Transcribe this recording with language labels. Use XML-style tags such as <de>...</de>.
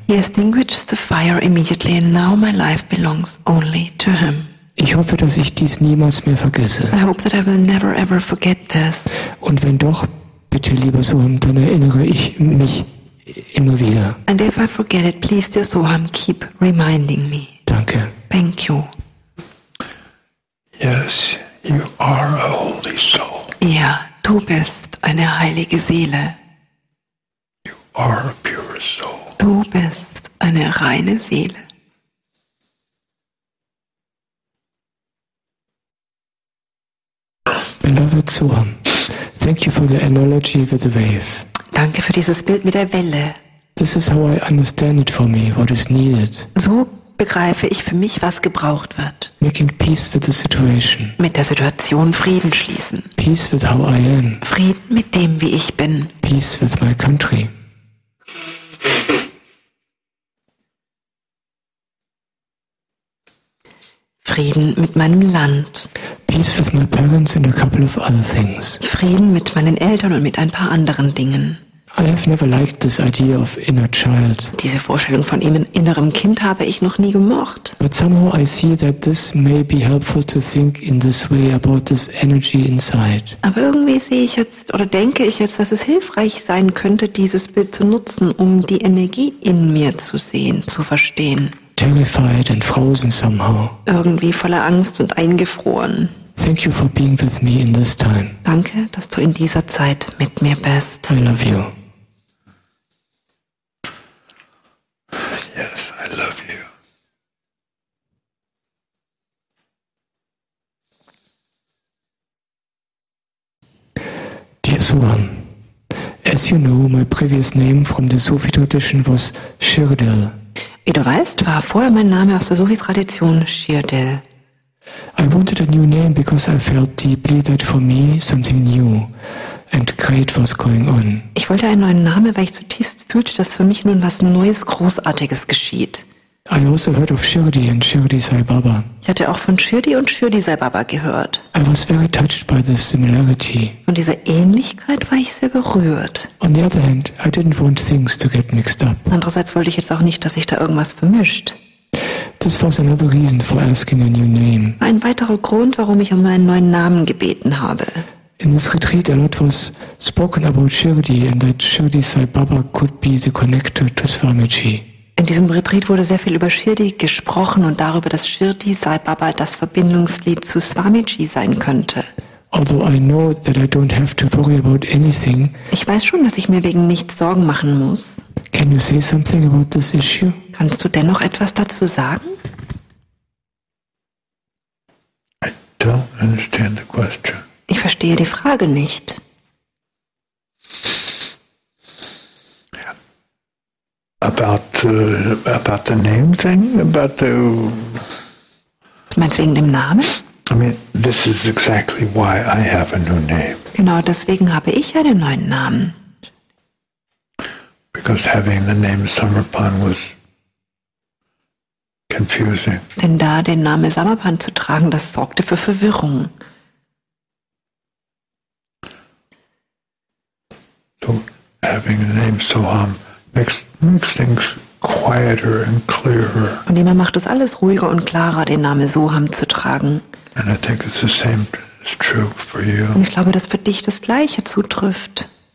<en>He extinguished the fire immediately and now my life belongs only to him.</en> <de>Ich hoffe, dass ich dies niemals mehr vergesse.</de> <en>I hope that I will never ever forget this.</en> <de>Und wenn doch, bitte lieber Soham, dann erinnere ich mich immer wieder.</de> <en>And if I forget it, please dear Soham, keep reminding me.</en> <de>Danke.</de> <en>Thank you. Yes, you are a holy soul.</en> <de>Ja, du bist eine heilige Seele.</de> <en>You are a pure soul.</en> <de>Du bist eine reine Seele.</de> <en>Beloved Soham, thank you for the analogy with the wave.</en> <de>Danke für dieses Bild mit der Welle.</de> <en>This is how I understand it for me, what is needed.</en> <de>So begreife ich für mich, was gebraucht wird.</de> <en>Making peace with the situation.</en> <de>Mit der Situation Frieden schließen.</de> <en>Peace with how I am.</en> <de>Frieden mit dem, wie ich bin.</de> <en>Peace with my country.</en> <de>Frieden mit meinem Land.</de> <en>Peace with my parents and a couple of other things.</en> <de>Frieden mit meinen Eltern und mit ein paar anderen Dingen.</de> <en>I have never liked this idea of inner child.</en> <de>Diese Vorstellung von ihm in innerem Kind habe ich noch nie gemocht.</de> <en>But somehow I see that this may be helpful to think in this way about this energy inside.</en> <de>Aber irgendwie sehe ich jetzt oder denke ich jetzt, dass es hilfreich sein könnte, dieses Bild zu nutzen, um die Energie in mir zu sehen, zu verstehen.</de> <en>Terrified and frozen somehow.</en> <de>Irgendwie voller Angst und eingefroren.</de> <en>Thank you for being with me in this time.</en> <de>Danke, dass du in dieser Zeit mit mir bist.</de> <en>I love you. Yes, I love you. Dear Soham, as you know, my previous name from the Sufi tradition was Shirdil.</en> <de>Wie du weißt, war vorher mein Name aus der Sufi-Tradition Shirdil.</de> <en>I wanted a new name because I felt deeply that for me something new and great was going on.</en> <de>Ich wollte einen neuen Namen, weil ich zutiefst fühlte, dass für mich nun was Neues, Großartiges geschieht.</de> <en>I also heard of Shirdi and Shirdi Sai Baba.</en> <de>Ich hatte auch von Shirdi und Shirdi Sai Baba gehört.</de> <en>I was very touched by this similarity.</en> <de>Von dieser Ähnlichkeit war ich sehr berührt.</de> <en>On the other hand, I didn't want things to get mixed up.</en> <de>Andererseits wollte ich jetzt auch nicht, dass sich da irgendwas vermischt.</de> <en>This was another reason for asking a new name.</en> <de>Ein weiterer Grund, warum ich um einen neuen Namen gebeten habe.</de> <en>In this retreat, a lot was spoken about Shirdi and that Shirdi Sai Baba could be the connector to Swamiji.</en> <de>In diesem Retreat wurde sehr viel über Shirdi gesprochen und darüber, dass Shirdi Sai Baba das Verbindungslied zu Swamiji sein könnte.</de> <en>Although I know that I don't have to worry about anything.</en> <de>Ich weiß schon, dass ich mir wegen nichts Sorgen machen muss.</de> <en>Can you say something about this issue?</en> <de>Kannst du dennoch etwas dazu sagen?</de> <en>I don't understand the question.</en> <de>Ich verstehe die Frage nicht.</de> <en>about the name thing, about the...</en> <de>Meinst wegen dem Namen?</de> <en>I mean, this is exactly why I have a new name.</en> <de>Genau, deswegen habe ich einen neuen Namen.</de> <en>Because having the name Summerpan was confusing.</en> <de>Denn da den Namen Summerpan zu tragen, das sorgte für Verwirrung.</de> <en>So having the name Soham makes things quieter and clearer.</en> <de>Und immer macht es alles ruhiger und klarer, den Namen Soham zu tragen.</de> <en>And I think it's the same is true for you.</en> <de>Und ich glaube, dass für dich das Gleiche zutrifft.</de>